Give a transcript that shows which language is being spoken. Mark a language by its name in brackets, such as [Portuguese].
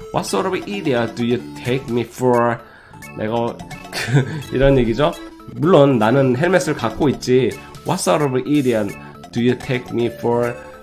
[English] What sort of idiot do you take me for? [Korean] 내가, 이런 얘기죠? 물론 나는 헬멧을 갖고 있지. [English] What sort of idiot do you take me for?